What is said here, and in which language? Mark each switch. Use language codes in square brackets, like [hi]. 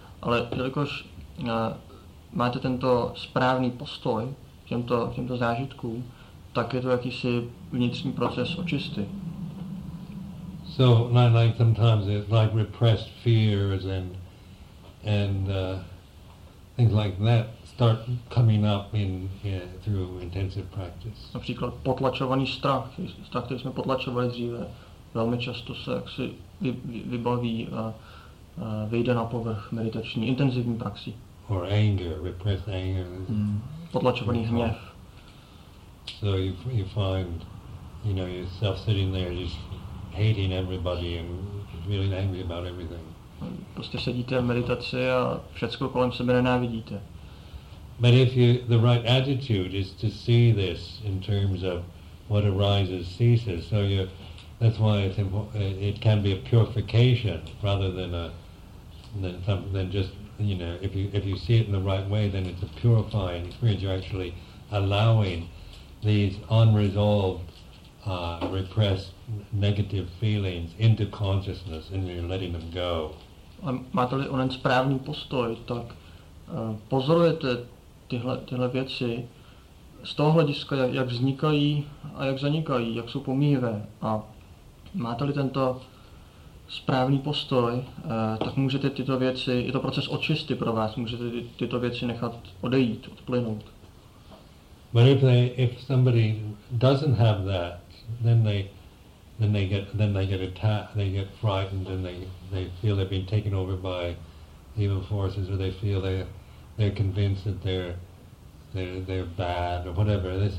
[cs] Ale jelikož máte tento správný postoj k těmto zážitkům, tak je to jakýsi vnitřní proces očisty. [en] So like sometimes it's like repressed fears and things like that start coming up through intensive practice. [cs] Například potlačovaný strach, který jsme potlačovali dříve, velmi často se jaksi vybaví a vyjde na povrch meditační intenzivní praxi. [en] Or anger, repressed anger. [cs] Potlačovaný hněv. [en] So you find, you know, yourself sitting there just hating everybody and feeling angry about everything. [cs] Prostě sedíte v meditaci a všechno kolem sebe nenávidíte. [en] But if the right attitude is to see this in terms of what arises ceases, so that's why it can be a purification rather than if you see it in the right way, then it's a purifying experience. You're actually allowing these unresolved, repressed negative feelings into consciousness, and you're letting them go. [cs] Máte-li onen správný postoj, tak pozorujete tyhle věci z toho hlediska, jak vznikají a jak zanikají, jak jsou pomíjivé. A máte-li tento správný postoj, tak můžete tyto věci, je to proces očisty pro vás, můžete tyto věci nechat odejít, odplynout. [en] But if somebody doesn't have that, then they get frightened, and they feel they've been taken over by evil forces, or they feel they're convinced that they're bad or whatever.